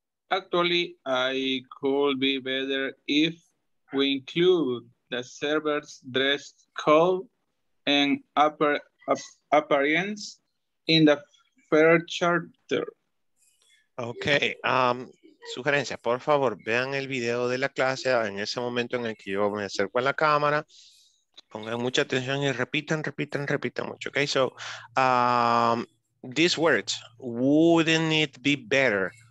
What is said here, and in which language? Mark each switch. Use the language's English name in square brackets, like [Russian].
[English] Actually, I could be better if we include the server's dress code and appearance in the first chapter. [Spanish] Okay, sugerencia, por favor, vean el video de la clase en ese momento en el que yo me acerco a la cámara. Pongan mucha atención y repitan mucho. [English] Okay, so these words, wouldn't it be better?